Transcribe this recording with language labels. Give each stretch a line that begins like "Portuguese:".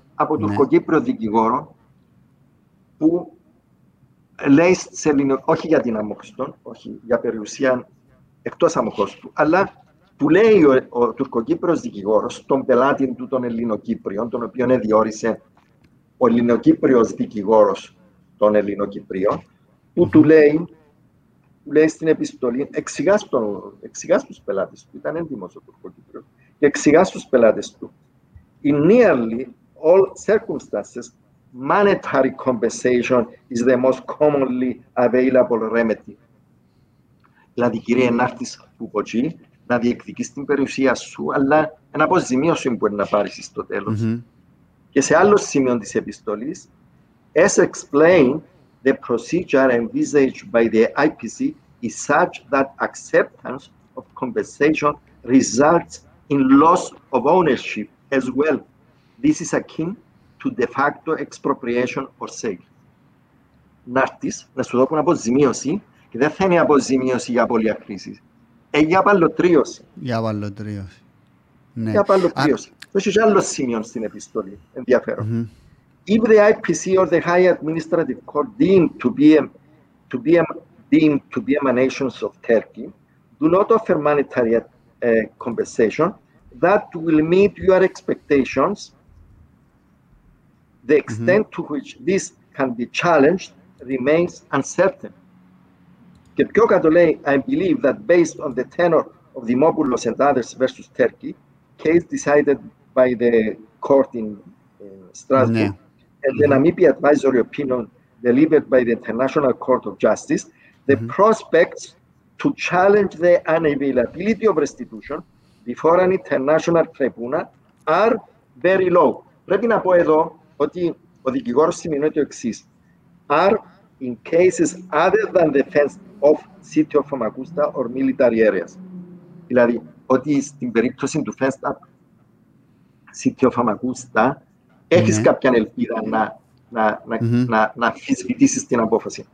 Greek: από τουρκοκύπριο δικηγόρο που λέει σε ελληνικό, όχι για την αμόχωστον, όχι για περιουσία εκτός αμόχωστου, αλλά που λέει ο τουρκοκύπριος δικηγόρος τον πελάτη του των Ελληνοκύπριων, τον οποίον διόρισε ο Ελληνοκύπριος δικηγόρος των Ελληνοκυπρίων, που του λέει, στην επιστολή, εξηγάς τους πελάτες του, ήταν έντιμος ο τουρκοκύπριος, και εξηγάς τους πελάτες του.
English: In nearly all circumstances, monetary compensation is the most commonly available remedy.
Greek: Δηλαδή, κύριε, να έρθεις που ποτζή, να διεκδικείς την περιουσία σου, αλλά ένα αποζημίωση μπορεί να πάρεις στο τέλος. Mm-hmm. Και σε άλλο σημείο της επιστολής,
English: as explained, the procedure envisaged by the IPC is such that acceptance of compensation results in loss of ownership as well. This is akin to de facto expropriation or sale.
Greek: Να έρθεις, να σου δώσουν αποζημίωση, και δεν θα είναι αποζημίωση για απώλεια χρήσης. Για απαλωτρίωση. Για απαλωτρίωση. Ναι. Για απαλωτρίωση. Το έχει άλλο σημείο στην επιστολή. Ενδιαφέρον. Mm-hmm.
English: If the IPC or the High Administrative Court deemed to be emanations of Turkey, do not offer monetary compensation, that will meet your expectations. The extent mm-hmm. to which this can be challenged remains uncertain.
Greek: Και πιο κάτω λέει,
English: I believe that based on the tenor of Dimopoulos and others versus Turkey, case decided by the court in Strasbourg, yeah. And then mm-hmm. an IPC advisory opinion delivered by the International Court of Justice, the mm-hmm. prospects to challenge the unavailability of restitution before an international tribunal are very low.
Greek: Πρέπει να πω εδώ ότι ο δικηγόρος σημειώνει το εξής.
English: Are in cases other than the fence of city of Famagusta or military areas.
Greek: Δηλαδή, ότι στην περίπτωση του
English: fence up city of Famagusta,
Greek: έχεις mm-hmm. κάποια ελπίδα να αμφισβητήσεις την απόφαση.